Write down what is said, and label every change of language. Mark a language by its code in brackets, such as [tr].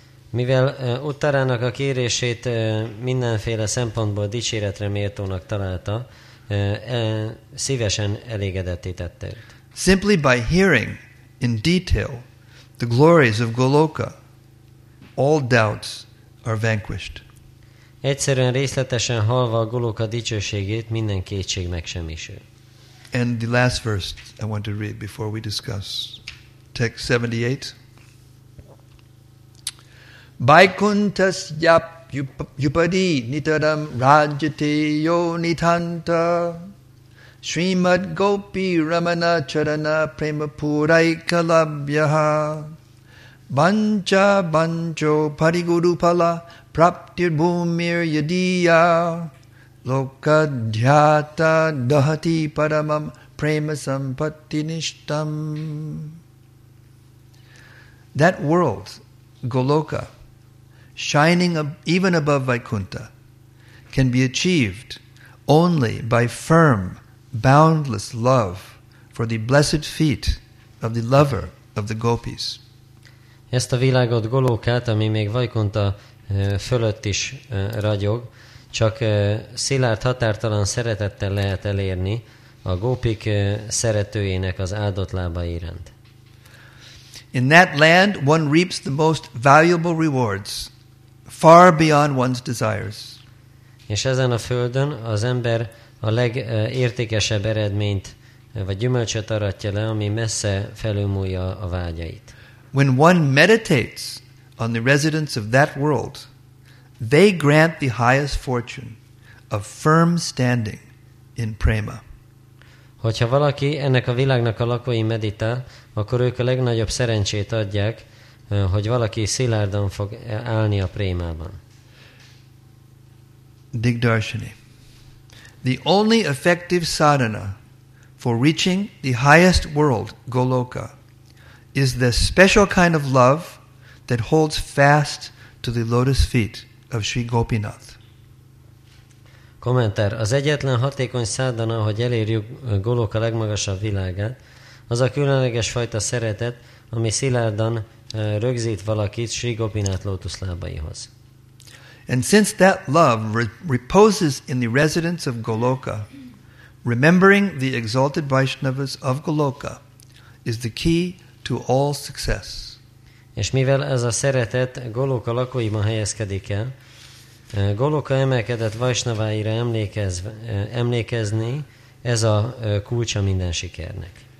[hu] Mivel Uttarának a kérését mindenféle szempontból dicséretre méltónak találta, szívesen elégedetté tette. [en] Simply by hearing in detail the glories of Goloka, all doubts are vanquished. [hu] Egyszerűen részletesen hallva a Goloka dicsőségét, minden kétség megsemmisül. [en] And the last verse I want to read before we discuss text 78. [sa] Vaikunthasya yupadi nitaram rajate yo nitanta Srimad gopi ramana charana prema purai kalabhyaha Bancha bancho parigurupala praptir bhumir yadiya Lokadhyata dahati paramam prema sampatti nishtam. [en] That world, Goloka, shining even above Vaikuntha, can be achieved only by firm, boundless love for the blessed feet of the lover of the gopis. [hu] Ezt a világot, Golókát, ami még Vaikuntha fölött is ragyog, csak szilárd, határtalan szeretettel lehet elérni a gópik szeretőjének az áldott lába iránt. [en] In that land one reaps the most valuable rewards, far beyond one's desires. [hu] És ezen a földön az ember a legértékesebb eredményt vagy gyümölcsöt aratja le, ami messze felülmúlja a vágyait. [en] When one meditates on the residents of that world, they grant the highest fortune of firm standing in prema. [hu] Hogyha valaki ennek a világnak a lakói meditál, akkor ők a legnagyobb szerencsét adják, hogy valaki szilárdan fog állni a prémában. [en] Digdarshini. The only effective sadhana for reaching the highest world, Goloka, is the special kind of love that holds fast to the lotus feet of Sri Gopinath. [hu] Kommentár. Az egyetlen hatékony szádana, hogy elérjük Goloka legmagasabb világát, az a különleges fajta szeretet, ami szilárdan rögzít valakit Sri Gopinath lótuszlábaihoz. [en] And since that love reposes in the residence of Goloka, remembering the exalted Vaishnavas of Goloka is the key to all success. [hu] És mivel ez a szeretet Goloka lakóiban helyezkedik el, Goloka emelkedett Vaishnaváira emlékezni, ez a kulcsa minden sikernek.